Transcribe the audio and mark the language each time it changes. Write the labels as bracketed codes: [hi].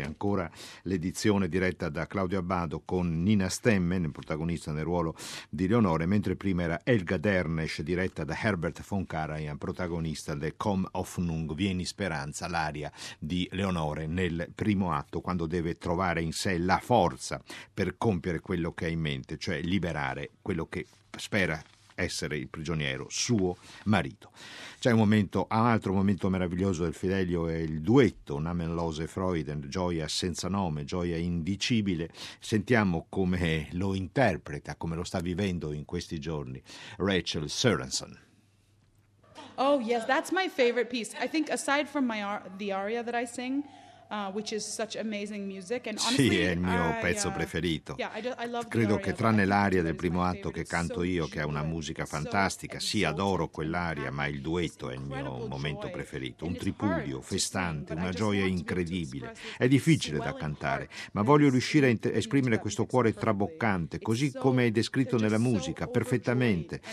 [it] Ancora l'edizione diretta da Claudio Abbado con Nina Stemmen, il protagonista nel ruolo di Leonora, mentre prima era Helga Dernesch, diretta da Herbert von Karajan, protagonista del Come Hoffnung, Vieni Speranza, l'aria di Leonora nel primo atto, quando deve trovare in sé la forza per compiere quello che ha in mente, cioè liberare quello che spera essere il prigioniero, suo marito. C'è un altro momento meraviglioso del Fidelio, è il duetto Namenlose Freuden, gioia senza nome, gioia indicibile. Sentiamo come lo interpreta, come lo sta vivendo in questi giorni Rachel Sorensen. [en] Oh yes, that's my favorite piece. I think aside from the aria that I sing, which is such amazing music. And honestly, [it] sì, è il mio pezzo preferito. Credo che tranne l'aria del primo atto che canto io, che ha una musica fantastica, sì, adoro quell'aria, ma il duetto è il mio momento preferito. Un tripudio, festante, una gioia incredibile. È difficile da cantare, ma voglio riuscire a esprimere questo cuore traboccante, così come è descritto nella musica, perfettamente.